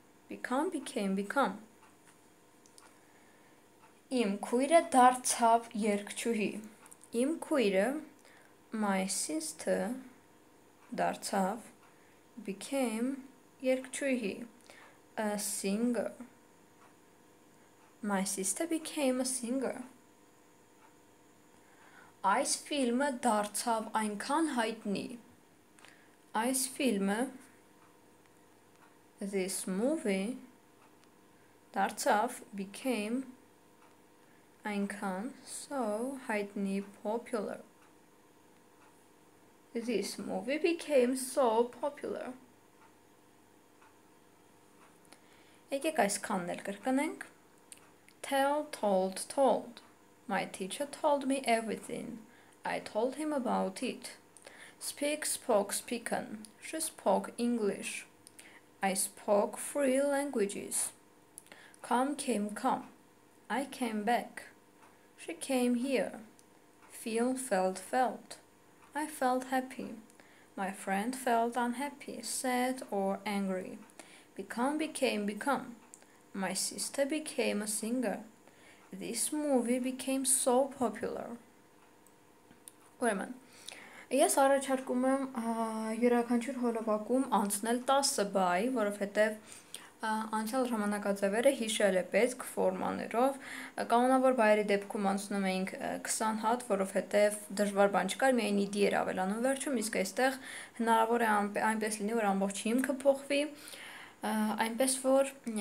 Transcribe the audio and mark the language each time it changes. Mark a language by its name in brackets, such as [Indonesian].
[English] Become, became, become. [Armenian] Իմ քույրը դարձավ երգչուհի. Իմ քույրը, [English] my sister, [Armenian] դարձավ, became, երգչուհի. [English] A singer. My sister became a singer. [Armenian] Այս ֆիլմը դարձավ այնքան հայտնի. Այս ֆիլմը, [English] this movie, [Armenian] դարձավ, became, այնքան, so, հայտնի, popular. [English] This movie became so popular. [Armenian] Եկեք այսքանն էլ կրկնենք. [English] Tell, told, told. My teacher told me everything. I told him about it. Speak, spoke, spoken. She spoke English. I spoke three languages. Come, came, come. I came back. She came here. Feel, felt, felt. I felt happy. My friend felt unhappy, sad or angry. Become, became, become. My sister became a singer. This movie became so popular. [Armenian] Ուրեմն, ես առաջարկում եմ յուրաքանչյուր հոլովակում անցնել 10 բայ, որովհետև անցյալ ժամանակաձևերը հիշել է պետք ֆորմաներով, կանոնավոր բայերի դեպքում անցնում էինք 20 հատ, որովհետև դժվար բան չկար, միայն ID էր ավելանում վերջում, իսկ այստեղ հնարավոր է այնպես լինի, որ ամբողջ հիմքը փոխվի, այնպես որ